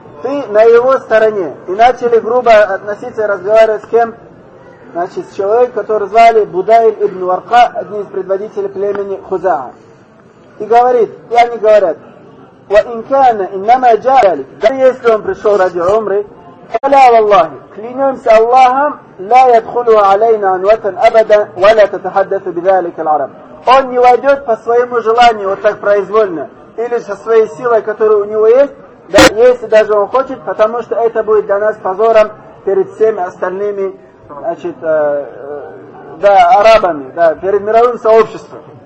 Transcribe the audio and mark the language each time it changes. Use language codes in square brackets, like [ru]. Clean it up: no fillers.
[ru] Ты на его стороне. И начали грубо относиться и разговаривать с кем? Значит, с человеком, который звали Будайль ибн Варка, одним из предводителей племени Хузаа. И говорит, и они говорят: [ar] وَإِنْكَانَ إِنَّمَا جَعَلِكَ. [ru] Да если он пришел ради умры, [ar] فَلَا وَاللَّهِ. [ru] Клянемся Аллахом, [ar] لَا يَدْخُلُوا عَلَيْنَا عَنْوَةً أَبَدًا وَلَا تَتَحَدَّثُ بِذَلِكَ الْعَرَبِ. [ru] он не войдет по своему желанию, вот так произвольно, или со своей силой, которая у него есть, да, если даже он хочет, потому что это будет для нас позором перед всеми остальными, значит, да, арабами, да, перед мировым сообществом.